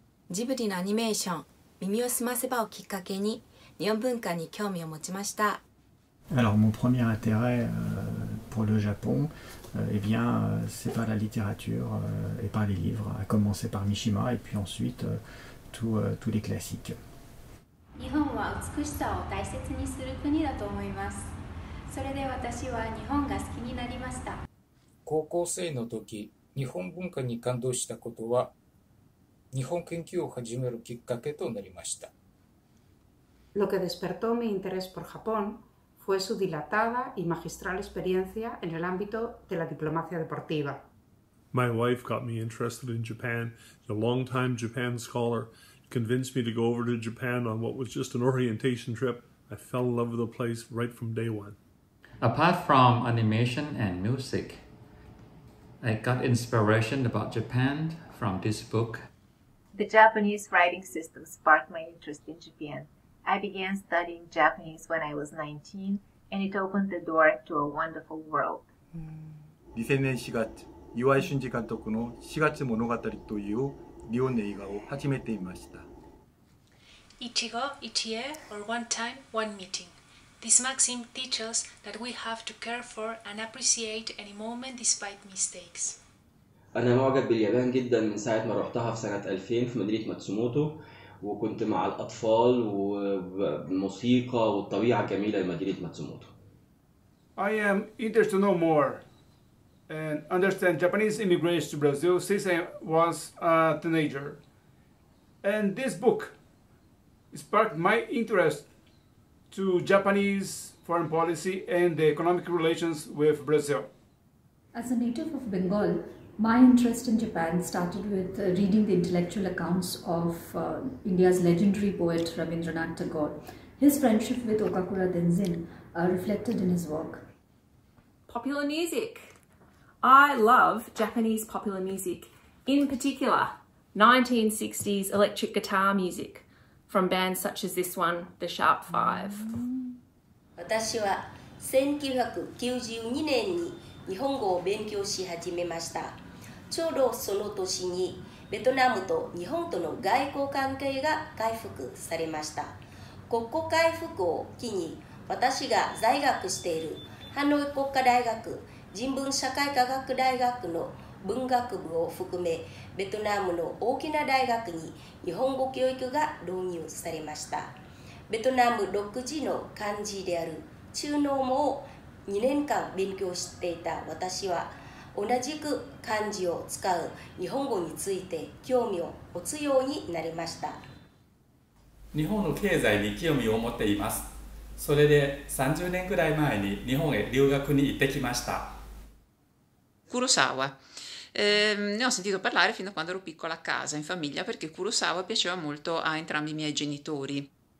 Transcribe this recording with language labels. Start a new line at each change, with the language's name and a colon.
Japanese: ジブリのアニメーション、耳をすませばをきっかけに日本文化に興味を持ちました。
French: Alors mon premier intérêt pour le Japon eh bien, c'est par la littérature et par les livres, à commencer par Mishima et puis ensuite tous les classiques.
Japanese: それで私は日本が好きになりました。高校生の時、日本文化に感動したことは 日本研究を始めるきっかけとなりました。
Spanish: Lo que despertó mi interés por Japón fue su dilatada y magistral experiencia en el ámbito de la diplomacia deportiva.
English: My wife got me interested in Japan. A long-time Japan scholar convinced me to go over to Japan on what was just an orientation trip. I fell in love with the place right from day one. Apart from animation and music, I got inspiration about Japan from this book. The Japanese writing system sparked my interest in Japan. I began studying Japanese when I was 19, and it opened the door to a wonderful world.
Japanese: 2000年4月、岩井俊二監督の4月物語という日本の映画を始めていました。
English: Ichigo, ichie, or one time, one meeting. This maxim teaches that we have to care for and appreciate any moment despite mistakes.
Arabic: أنا معجب باليابان جدا من ساعة ما رحتها في سنة 2000 في مدينة ماتسوموتو. وكنت مع الأطفال والموسيقى والطبيعة الجميلة لمدينة ماتسوموتو.
English: I am interested to know more and understand Japanese immigration to Brazil since I was a teenager. And this book sparked my interest to Japanese foreign policy and the economic relations with Brazil. As a native of Bengal, my interest in Japan started with reading the intellectual accounts of India's legendary poet Rabindranath Tagore. His friendship with Okakura Denzin reflected in his work. Popular music. I love Japanese popular music, in particular 1960s electric guitar music from bands such as this one, the Sharp Five.
Japanese: 私は1992年に日本語を勉強し始めました。ちょうどその年にベトナムと日本との外交関係が回復されました。国交回復を機に私が在学しているハノイ国家大学人文社会科学大学の文学部を含めベトナムの大きな大学に日本語教育が導入されました。ベトナム独自の漢字である中濃語を2年間勉強していた私は同じく漢字を使う日本語について興味を持つようになりました。日本の経済に興味を持っています。それで30年くらい前に日本へ留学に行ってきました。
Italian: Kurosawa. Ne ho sentito parlare fin da quando ero piccola a casa, in famiglia, perché Kurosawa piaceva molto a entrambi i miei genitori.